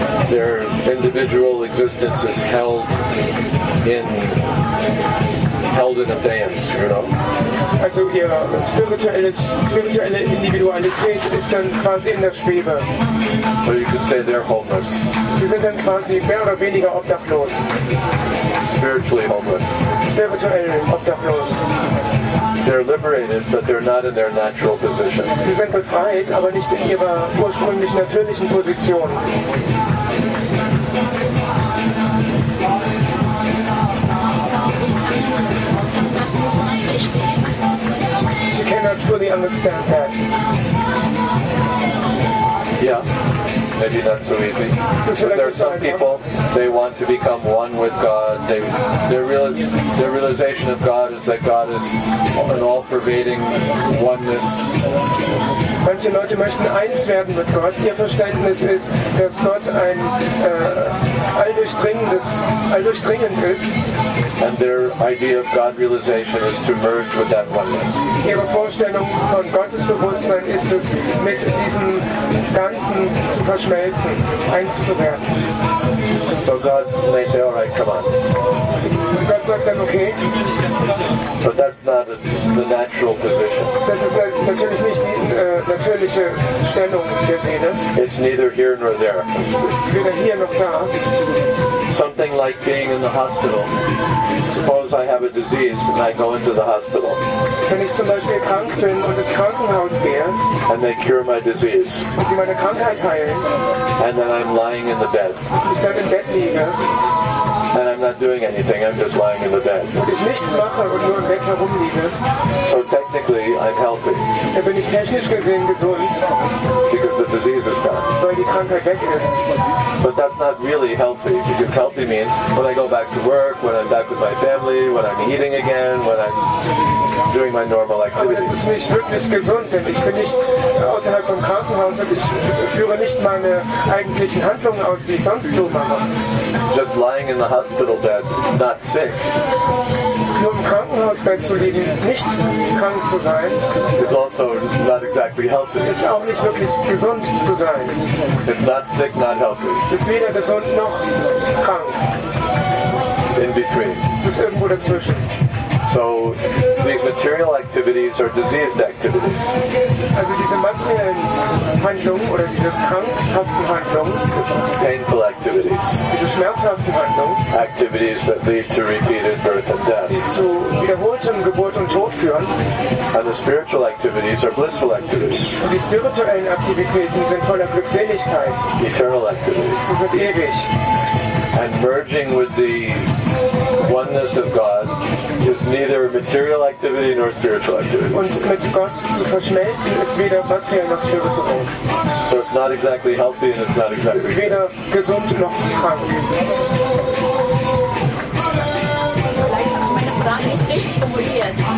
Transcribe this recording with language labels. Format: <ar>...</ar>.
<en>Their individual existence is held in abeyance, you know.</en> <de>Also ihr spirituelle Individualität ist dann quasi in der Schwebe.</de> <en>Or you could say they're homeless.</en> <de>Sie sind dann quasi mehr oder weniger obdachlos.</de> <en>Spiritually homeless.</en> <de>Spirituell obdachlos.</de> <en>They're liberated, but they're not in their natural position.</en> <de>Sie sind befreit, aber nicht in ihrer ursprünglich natürlichen Position.</de> <en>She cannot fully understand that. Yeah. Maybe not so easy. But there are some people, they want to become one with God. Their realization of God is that God is an all-pervading oneness.</en> <de>Manche Leute möchten eins werden mit Gott. Ihr Verständnis ist, dass Gott ein alldurchdringend ist.</de> <en>And their idea of God realization is to merge with that oneness.</en> <de>Ihre Vorstellung von Gottes Bewusstsein ist es, mit diesem Ganzen zu verschmelzen, eins zu werden.</de> <en>So God may say, all right, come on.</en> <de>Gott sagt dann, okay.</de> <en>But that's not the natural position.</en> <de>Das ist natürlich nicht die natürliche Stellung der Seele.</de> <en>It's neither here nor there.</en> <de>Es ist weder hier noch da.</de> <en>Something like being in the hospital. Suppose I have a disease and I go into the hospital.</en> <de>Wenn ich zum Beispiel krank bin und ins Krankenhaus gehe.</de> <en>And they cure my disease.</en> <de>Und sie meine Krankheit heilen.</de> <en>And then I'm lying in the bed.</en> <de>Ich dann im Bett liege.</de> <en>And I'm not doing anything, I'm just lying in the bed.</en> <de>Und ich nichts mache und nur im Bett herumliege.</de> <en>So technically I'm healthy.</en> <de>Dann bin ich technisch gesehen gesund.</de> <en>Because the disease is gone.</en> <de>Weil die Krankheit weg ist.</de> <en>But that's not really healthy, because healthy means when I go back to work, when I'm back with my family, when I'm eating again, when I'm doing my normal activities.</en> <de>Aber das ist nicht wirklich gesund, denn ich bin nicht außerhalb vom Krankenhaus und ich führe nicht meine eigentlichen Handlungen aus, die ich sonst so mache.</de> <en>Just lying in the hospital bed, not sick.</en> <de>Nur im Krankenhausbett zu liegen, nicht krank zu sein,</de> <en>is also not exactly healthy.</en> <de>Ist auch nicht wirklich gesund zu sein.</de> <en>If not sick, not healthy.</en> <de>Es ist weder gesund noch krank.</de> <en>In between.</en> <de>Es ist irgendwo dazwischen.</de> <en>So, these material activities. activities or diseased activities.</en> <de>Also diese materiellen Handlungen oder diese krankhaften Handlungen.</de> <en>Painful activities.</en> <de>Diese schmerzhaften Handlungen.</de> <en>Activities that lead to repeated birth and death.</en> <de>Die zu wiederholtem Geburt und Tod führen.</de> <en>And the spiritual activities are blissful activities.</en> <de>Und die spirituellen Aktivitäten sind voller Glückseligkeit.</de> <en>Eternal activities.</en> <de>Sie sind ewig.</de> <en>And merging with the oneness of God is neither material activity nor spiritual activity.</en> <de>Und mit Gott zu verschmelzen ist weder materiell noch spirituell.</de> <en>So it's not exactly healthy and it's not exactly.</en> <de>Es ist weder gesund noch krank. Vielleicht habe ich meine Frage nicht richtig formuliert.</de>